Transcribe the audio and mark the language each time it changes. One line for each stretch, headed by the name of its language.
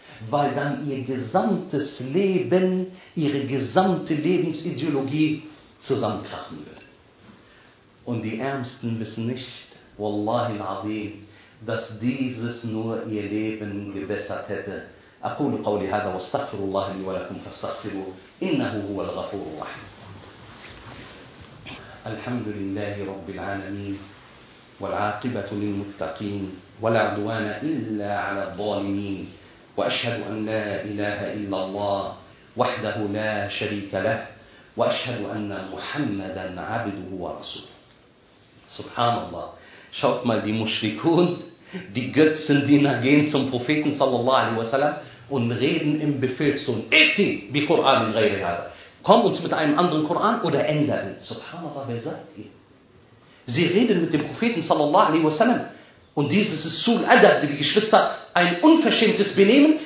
German: Weil dann ihr gesamtes Leben, ihre gesamte Lebensideologie zusammenkrachen würde. Und die Ärmsten wissen nicht, Wallahi al-Azim, dass dieses nur ihr Leben gebessert hätte.
Arabic: أقول قولي هذا واستغفر الله لي ولكم فاستغفروا إنه هو الغفور الرحيم. الحمد لله رب العالمين والعاقبة للمتقين ولا عدوان إلا على الظالمين. وأشهد أن لا إله إلا الله وحده لا شريك له وأشهد أن محمدا عبده ورسوله. سبحان الله.
German: Schaut mal, die Mushrikun, die Götzendiener gehen zum Propheten sallallahu alaihi wasallam und reden im Befehl zu
Arabic: Eti bi Quran in ghayri hadha.
German: Komm uns mit einem anderen Koran oder ändere ihn. Subhanallah, wer sagt ihr? Sie reden mit dem Propheten sallallahu alaihi wasallam. Und dieses ist Sul Adab, liebe Geschwister, ein unverschämtes Benehmen.